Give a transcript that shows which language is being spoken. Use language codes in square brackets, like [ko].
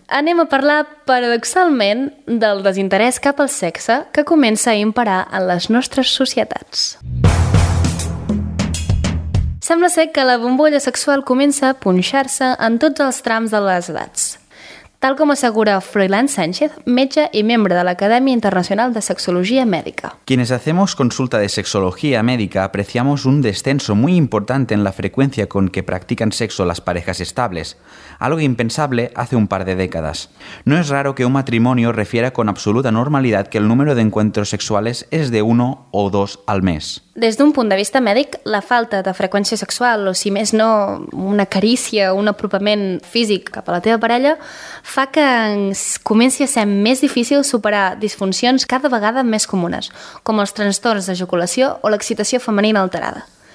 [ca] Anem a parlar, paradoxalment, del desinterès cap al sexe que comença a imperar en les nostres societats. Sembla ser que la bombolla sexual comença a punxar-se en tots els trams de les edats. Tal com assegura Froilán Sánchez, metge i membre de l'Acadèmia Internacional de Sexologia Mèdica. [es] Quienes hacemos consulta de sexología médica apreciamos un descenso muy importante en la frecuencia con que practican sexo las parejas estables, algo impensable hace un par de décadas. No es raro que un matrimonio refiera con absoluta normalidad que el número de encuentros sexuales es de 1 o 2 al mes. [ca] Des d'un punt de vista mèdic, la falta de freqüència sexual, o si més no, una carícia o un apropament físic cap a la teva parella, fa que comenci a ser més difícil superar disfuncions cada vegada més comunes, com els trastorns d'ejaculació o l'excitació femenina alterada.